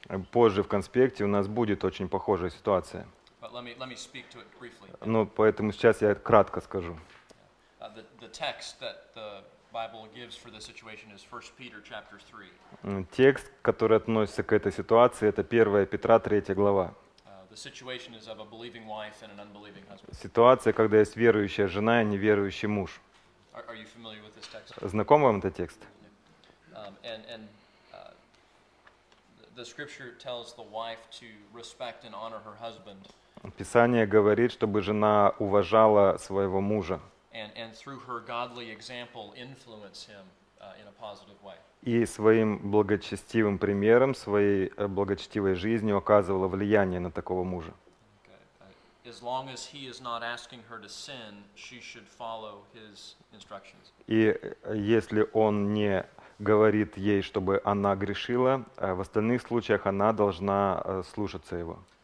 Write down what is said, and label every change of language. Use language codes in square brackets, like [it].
[ru] Позже в конспекте у нас будет очень похожая ситуация. [en] But let me speak to it briefly. [ru] Но поэтому сейчас я кратко скажу. [en] The text that the Bible gives for the situation is 1 Peter chapter 3. [ru] Текст, который относится к этой ситуации, это 1 Петра 3 глава. [en] The situation is of a believing wife and an unbelieving husband. [ru] Ситуация, когда есть верующая жена и неверующий муж. [en] Are you familiar with this text? [ru] Знаком вам этот текст? [en] The scripture tells the wife to respect and honor her husband. [ru] Писание говорит, чтобы жена уважала своего мужа. [en] And through her godly example influence him in a positive way. [ru] И своим благочестивым примером, своей благочестивой жизнью оказывала влияние на такого мужа. [en] As long as he is not asking her to sin, she should follow his instructions. [ru] И если он не говорит ей, чтобы она грешила, а в остальных случаях она должна слушаться его.